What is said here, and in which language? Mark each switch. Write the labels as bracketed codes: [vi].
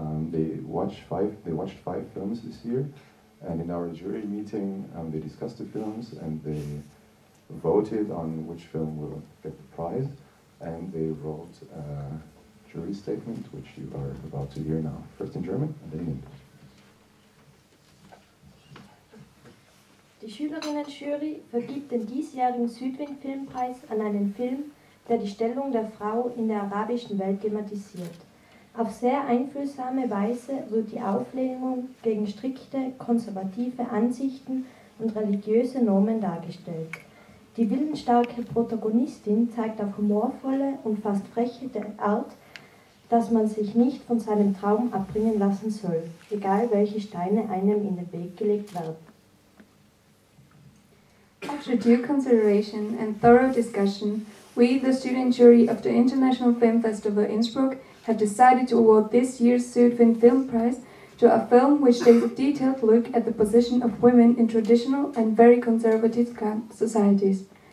[en] They watched five films this year. And in our jury meeting, they discussed the films and they voted on which film will get the prize. And they wrote a jury statement, which you are about to hear now, first in German and then in English. [de] Die Schülerinnenjury vergibt den diesjährigen Südwind-Filmpreis an einen Film, der die Stellung der Frau in der arabischen Welt thematisiert. Auf sehr einfühlsame Weise wird die Auflehnung gegen strikte, konservative Ansichten und religiöse Normen dargestellt. Die willensstarke Protagonistin zeigt auf humorvolle und fast freche Art, dass man sich nicht von seinem Traum abbringen lassen soll, egal welche Steine einem in den Weg gelegt werden. [en] After due consideration and thorough discussion, we, the student jury of the International Film Festival Innsbruck, have decided to award this year's Südwind Film Prize to a film which takes a detailed look at the position of women in traditional and very conservative societies.